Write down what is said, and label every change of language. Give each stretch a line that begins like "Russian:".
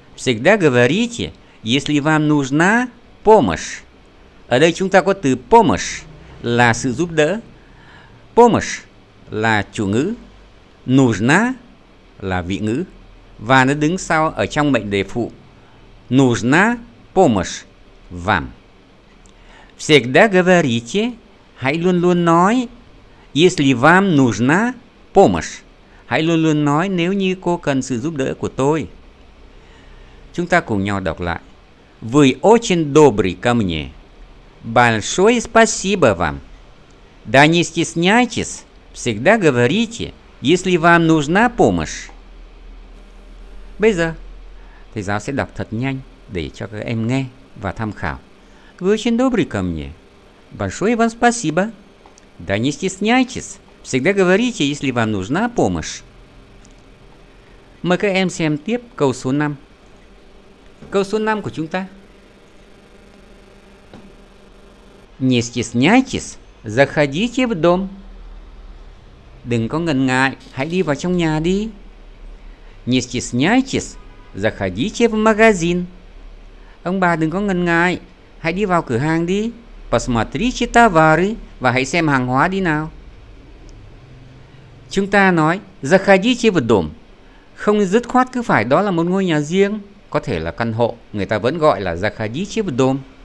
Russian: Всегда говорите, если вам нужна помощь.
Vietnamese: Ở đây chúng ta có từ помощь là sự giúp đỡ. Помощь là chủ ngữ, нужна là vị ngữ, và nó đứng sau ở trong mệnh đề phụ.
Russian: Нужна помощь вам. Всегда говорите,
Vietnamese: hãy luôn luôn nói.
Russian: Если вам нужна помощь,
Vietnamese: hãy luôn luôn nói nếu như cô cần sự giúp đỡ của tôi. Chúng ta cùng nhau đọc lại.
Russian: Вы очень добрый ко мне. Большое спасибо вам. Да не стесняйтесь. Всегда говорите, если вам нужна помощь.
Vietnamese: Bây giờ, thầy giáo sẽ đọc thật nhanh để cho các em nghe và tham khảo.
Russian: Вы очень добрый ко мне. Большое вам спасибо. Да не стесняйтесь. Всегда говорите, если вам нужна помощь.
Vietnamese: Mời các em xem tiếp câu số 5. Câu số 5 của chúng ta.
Russian: Не стесняйтесь. Заходите в дом.
Vietnamese: Đừng có ngần ngại, hãy đi vào trong nhà đi.
Russian: Не стесняйтесь, заходите в магазин.
Vietnamese: Ông bà đừng có ngần ngại, hãy đi vào cửa hàng đi.
Russian: Посмотрите товары,
Vietnamese: và hãy xem hàng hóa đi nào. Chúng ta nói
Russian: заходите в дом,
Vietnamese: không dứt khoát cứ phải đó là một ngôi nhà riêng, có thể là căn hộ, người ta vẫn gọi là заходите в дом.